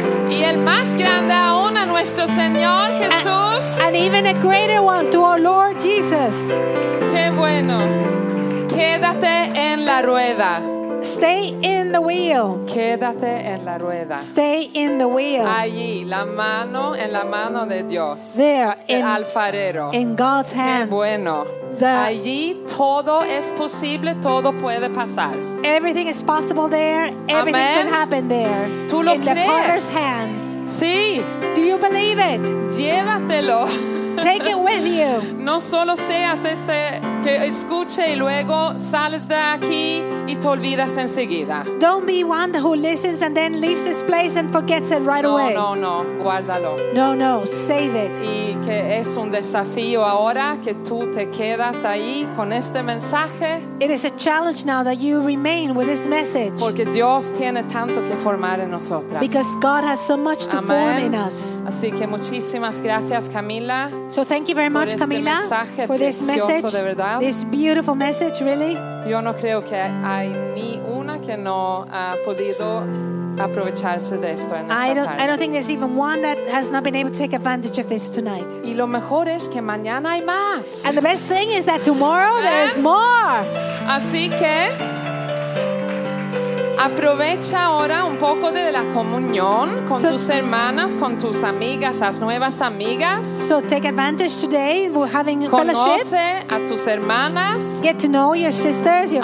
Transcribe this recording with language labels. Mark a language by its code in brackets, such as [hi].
[es] Y el más grande aún a nuestro Señor Jesús. [en] And even a greater one to our Lord Jesus. [es] Qué bueno. Quédate en la rueda. [en] Stay in the wheel. [es] Quédate en la rueda. [en] Stay in the wheel. [es] Allí, la mano en la mano de Dios. [en] There, [es] el alfarero. [en] In God's hand. [es] Qué bueno. Allí todo es posible, todo puede pasar. [en] Everything is possible there. Everything Amen. Can happen there. [es] ¿Tú lo [en] in [es] crees? [en] The Potter's hand. [es] Sí. [en] Do you believe it? [es] Llévatelo. [en] Take it with you. [es] No solo seas ese que escuche y luego sales de aquí y te olvidas enseguida. [en] Don't be one who listens and then leaves this place and forgets it right away. [es] No, no, guárdalo. [en] No, no, save it. [es] Y que es un desafío ahora que tú te quedas ahí con este mensaje. [en] It is a challenge now that you remain with this message. [es] Porque Dios tiene tanto que formar en nosotras. [en] Because God has so much to Amen. Form in us. [es] Así que muchísimas gracias, Camila. [en] So thank you very much, Camila, for this message. [es] De verdad. [en] This beautiful message, really. [es] Yo no creo que hay ni una que no ha podido aprovecharse de esto en esta [en] I don't think there's even one that has not been able to take advantage of this tonight. [es] Y lo mejor es que mañana hay más. [en] And the best thing is that tomorrow there's more. [es] Así que aprovecha ahora un poco de la comunión con tus hermanas, con tus amigas, las nuevas amigas. [en] So take advantage today of having [es] Conoce [en] fellowship. [es] A tus hermanas. [en] Get to know your sisters, your